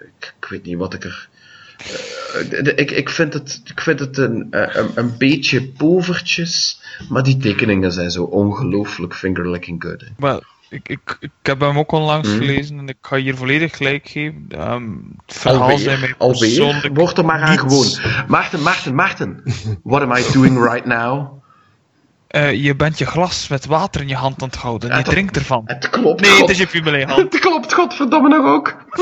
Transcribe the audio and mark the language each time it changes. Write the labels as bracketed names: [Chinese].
[Dutch] Ik weet niet wat ik er... Ik vind het een beetje povertjes. Maar die tekeningen zijn zo ongelooflijk [English] fingerlicking good. Well. [Dutch] Ik heb hem ook onlangs gelezen en ik ga hier volledig gelijk geven. Het verhaal alweer, zijn mij persoonlijk alweer. Word er maar aan niets. Gewoon. [English] Maarten, what am I doing right now? [Dutch] Je bent je glas met water in je hand aan het houden. Je drinkt ervan. Het klopt. Nee, het is je fumelee hand. Het klopt, godverdomme, nog ook.